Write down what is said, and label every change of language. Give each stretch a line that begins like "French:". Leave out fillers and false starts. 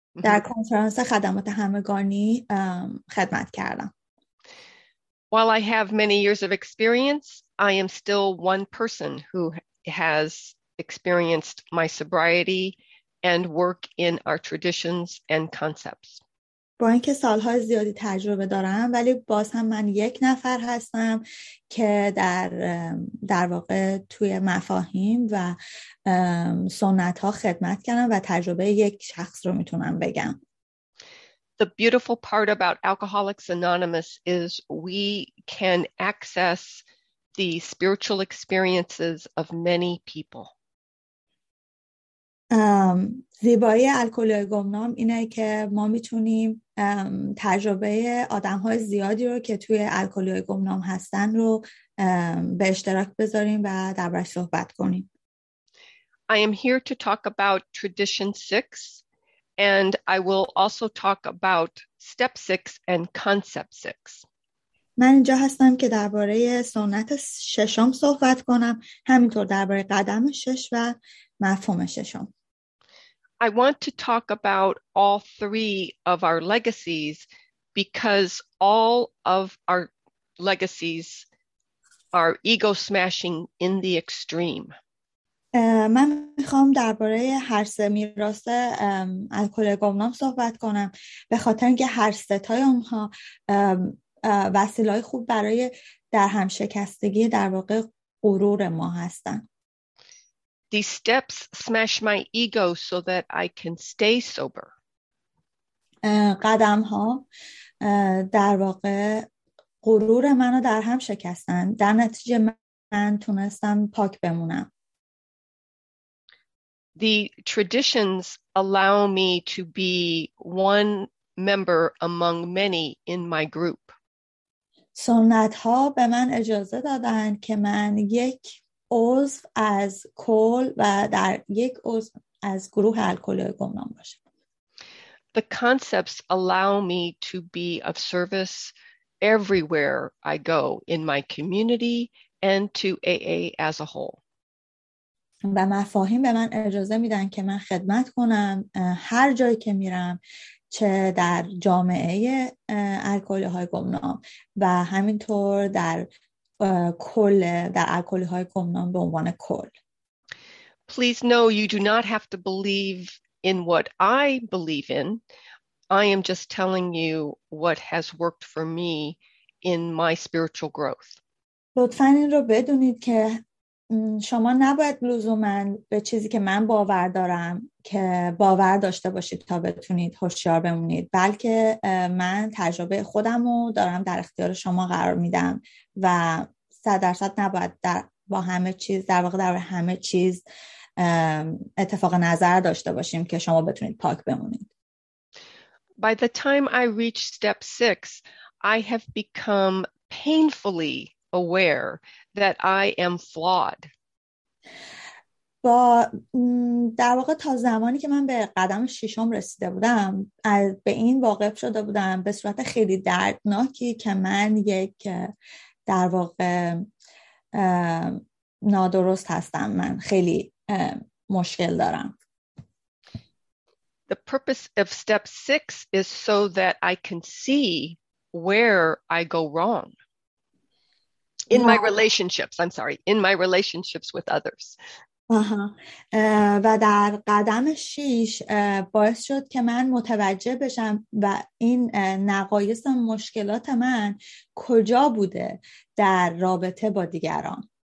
Persian: در کنفرانس خدمات همگانی خدمت کردم.
English: While I have many years of experience, I am still one person who has experienced my sobriety and work in our traditions and concepts.
Persian: با اینکه سالهای زیادی تجربه دارم ولی باز هم من یک نفر هستم که در واقع توی مفاهیم و سنت ها خدمت کردم و تجربه یک شخص رو میتونم بگم.
English: The beautiful part about Alcoholics Anonymous is we can access the spiritual experiences of many people.
Persian: زیبایی الکلی گمنام اینه که ما میتونیم تجربه آدم‌های زیادی رو که توی الکلی گمنام هستن رو به اشتراک بذاریم و درباره صحبت کنیم.
English: I am here to talk about tradition 6 and I will also talk about step 6 and concept 6.
Persian: من اینجا هستم که درباره سنت ششم صحبت کنم، همینطور درباره قدم شش و مفهوم ششم.
English: I want to talk about all three of our legacies because all of our legacies are ego smashing in the extreme.
Persian: من میخوام درباره هر سه میراث الکلی گمنام صحبت کنم به خاطر اینکه هر سه تای اونها وسیله‌های خوب برای در هم شکستگی در واقع غرور ما هستند.
English: The steps smash my ego so that I can stay sober.
Persian: قدم ها در واقع غرور منو در هم شکستن. در نتیجه من تونستم پاک بمونم.
English: The traditions allow me to be one member among many in my group.
Persian: سنت ها به من اجازه دادن که من یک عضو از کل و در یک عضو از گروه الکلی گمنام باشه.
English: The concepts allow me to be of service everywhere I go in my community and to AA as a whole.
Persian: و مفاهیم به من اجازه میدن که من خدمت کنم هر جایی که میرم، چه در جامعه الکلی های گمنام و همینطور در کل در الکلی های گمنام به عنوان کل.
English: Please know you do not have to believe in what I believe in. I am just telling you what has worked for me in my spiritual growth.
Persian: لطفاً این رو بدونید که شما نباید لزوماً به چیزی که من باور دارم که باور داشته باشید تا بتونید هوشیار بمونید، بلکه من تجربه خودم رو دارم در اختیار شما قرار میدم و 100% نباید با همه چیز در واقع در همه چیز اتفاق نظر داشته باشیم که شما بتونید پاک بمونید.
English: By the time I reach step 6, I have become painfully aware that I am flawed.
Persian: با در واقع تا زمانی که من به قدم ششم رسیده بودم به این واقف شده بودم به صورت خیلی دردناکی که من یک در واقع نادرست هستم، من خیلی مشکل دارم.
English: The purpose of step 6 is so that I can see where I go wrong in my relationships. I'm sorry, in my relationships with others.
Persian: و در قدم شیش باعث شد که من متوجه بشم و این نقایص و مشکلات من کجا بوده در رابطه با دیگران.